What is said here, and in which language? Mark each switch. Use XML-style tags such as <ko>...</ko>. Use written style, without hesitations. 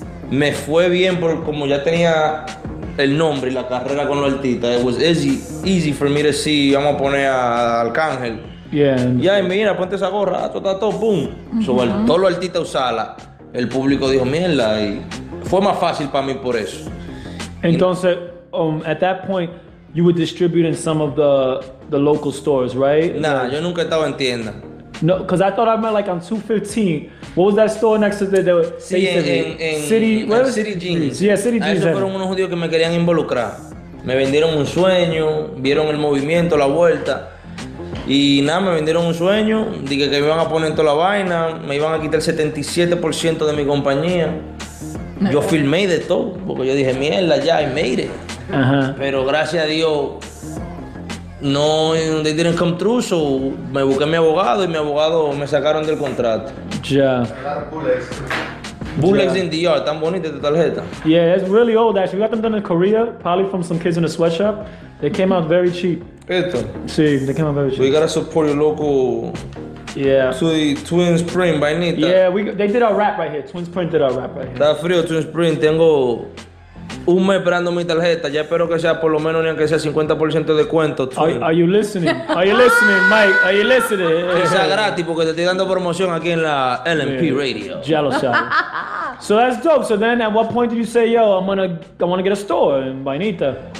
<es>Me fue bien, por, como ya tenía el nombre y la carrera con los artistas,</es> <en>it was easy for me to see,</en> <es>vamos a poner a Arcángel.</es> <en>Yeah,</en> <es>y ahí, mira, ponte esa gorra, todo, boom. Sobre todos los artistas usarla, el público dijo, mierda, y fue más fácil para mí por eso.</es> <en>Entonces, at that point, you were distributing some of the local stores, right?</en> <es>Nah, yo nunca estaba en tienda.</es> <en>No, because I thought I meant like on 215. What was that store next to the city? City Jeans. Yeah, City Jeans.</en> <es>Esos fueron unos judíos que me querían involucrar. Me vendieron un sueño, vieron el movimiento, la vuelta. Y nada, me vendieron un sueño. Dije que me iban a poner toda la vaina. Me iban a quitar el 77% de mi compañía. Yo filmé de todo, porque yo dije, mierda, ya,</es> <en>I made it.</en> <es>Pero gracias a Dios, no,</es> <en>they didn't come true,</en> <es>so me busqué a mi abogado y mi abogado me sacaron del contrato. Ya. Yeah. Bullets in the yard, tan bonita esta tarjeta.</es> <en>Yeah, it's really old, actually. We got them done in Korea, probably from some kids in a sweatshop. They came out very cheap.</en> <es>Esto.</es> <en>Sí, they came out very cheap. We gotta support your local... Yeah. So the Twin Spring by Nita. Yeah, they did our rap right here. Twin Spring did our rap right here.</en> <es>Está frío, Twin Spring. Tengo un mes esperando mi tarjeta. Ya espero que sea por lo menos ni aunque sea 50% de cuento.</es> <en>Are you listening? Are you listening, Mike? Are you listening?</en> <es>Que sea gratis porque te estoy dando promoción aquí en la LMP yeah.</es> <en>Radio. Jello shot. So that's dope. So then at what point did you say, yo, I wanna get a store in Vainita?</en>